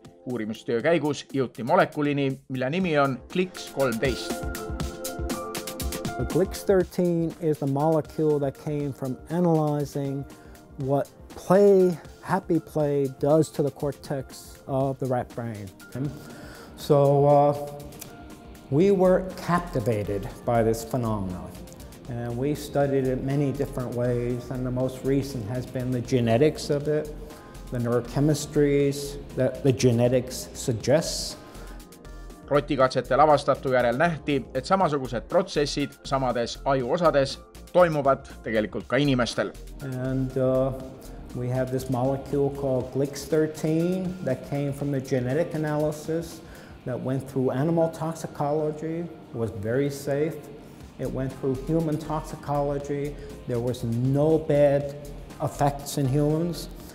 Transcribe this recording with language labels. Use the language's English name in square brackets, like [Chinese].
[Estonian] Uurimustöö käigus jõuti molekulini, mille nimi on GLIX-13. [English] The GLIX-13 is the molecule that came from analyzing what play, happy play does to the cortex of the rat brain. So, we were captivated by this phenomenon, and we studied it many different ways, and the most recent has been the genetics of it, the neurochemistries that the genetics suggests. [Estonian] Rottikatsetel avastatu järel nähti, et samasugused protsessid samades ajuosades toimuvad tegelikult ka inimestel. [English] And we have this molecule called GLIX-13 that came from the genetic analysis that went through animal toxicology, was very safe. It went through human toxicology. There was no bad effects in humans.